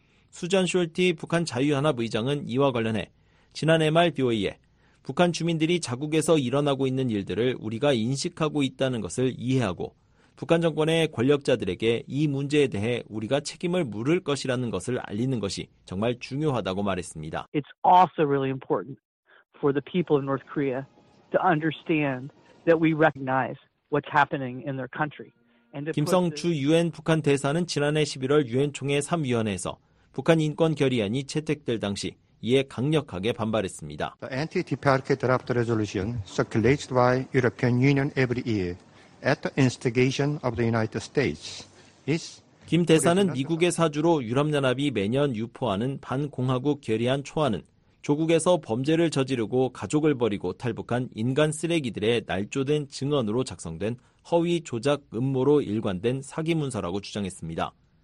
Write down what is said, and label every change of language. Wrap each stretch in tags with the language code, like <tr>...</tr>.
<ko>수잔 숄티 북한 자유연합 의장은 이와 관련해 지난해 말 BOA에 북한 주민들이 자국에서 일어나고 있는 일들을 우리가 인식하고 있다는 것을 이해하고 북한 정권의 권력자들에게 이 문제에 대해 우리가 책임을 물을 것이라는 것을 알리는 것이 정말 중요하다고 말했습니다.</ko> <en>It's also really important for the people of North Korea to understand that we recognize what's happening in their country.</en> <ko>김성주 유엔 북한 대사는 지난해 11월 유엔 총회 3위원회에서 북한 인권 결의안이 채택될 당시 이에 강력하게 반발했습니다.</ko> <en>The anti-debarque draft resolution circulated by European Union every year. At the instigation of the United States, is</en> <ko>김 대사는 미국의 사주로 유럽연합이 매년 유포하는 반공화국 결의안 초안은 조국에서 범죄를 저지르고 가족을 버리고 탈북한 인간 쓰레기들의 날조된 증언으로 작성된 허위 조작 음모로 일관된 사기 문서라고 주장했습니다.</ko>